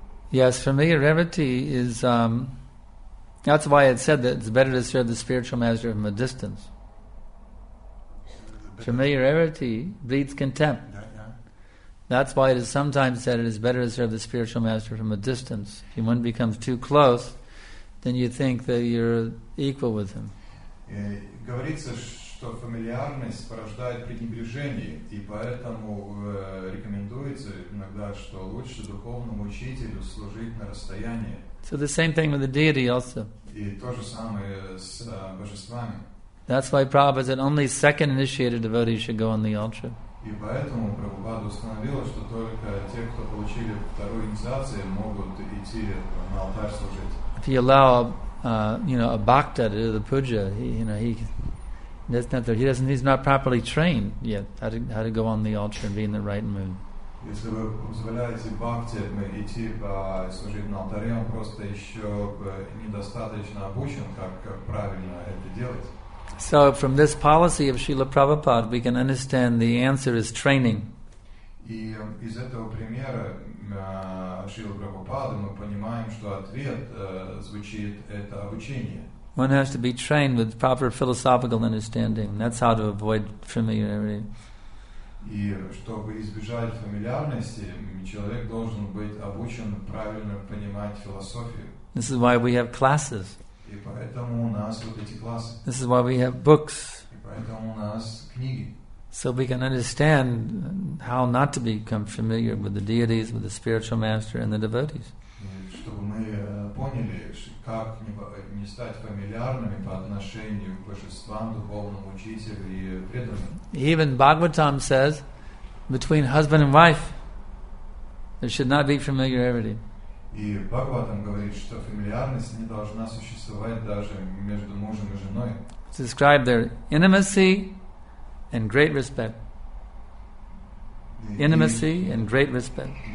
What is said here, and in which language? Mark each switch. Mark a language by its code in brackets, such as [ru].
[en] Yes, familiarity is that's why it said that it's better to serve the spiritual master from a distance. Familiarity breeds contempt. That's why it is sometimes said it is better to serve the spiritual master from a distance. If one becomes too close, then you think that you're equal with him. [ru] Говорится, что фамильярность порождает пренебрежение, и поэтому рекомендуется иногда, что лучше духовному учителю служить на расстоянии. [en] So the same thing with the deity also. [ru] И то же самое с божествами. [en] That's why Prabhupada said only second initiated devotees should go on the altar. [ru] И поэтому Прабхупада установила, что только те, кто получили вторую инициацию, могут идти на алтарь служить. [en] If you allow a bhakta to do the puja, he's not properly trained yet how to go on the altar and be in the right mood. [ru] Если вы позволяете бхакти идти служить на алтаре, он просто еще недостаточно обучен, как правильно это делать. [en] So from this policy of Srila Prabhupada, we can understand the answer is training. [ru] И из этого примера Шрилы Прабхупады мы понимаем, что ответ звучит это обучение. [en] One has to be trained with proper philosophical understanding. That's how to avoid familiarity. [ru] И чтобы избежать фамильярности, человек должен быть обучен правильно понимать философию. [en] This is why we have classes. [ru] И поэтому у нас вот эти классы. [en] This is why we have books. [ru] И поэтому у нас книги. [en] So we can understand how not to become familiar with the deities, with the spiritual master and the devotees. [ru] Чтобы мы поняли, как не стать фамильярными по отношению к божествам, духовному учителю и преданным. [en] Even Bhagavatam says, between husband and wife, there should not be familiarity. [ru] И Бхагаватам говорит, что фамильярность не должна существовать даже между мужем и женой. [en] To describe their intimacy and great respect. Intimacy and great respect.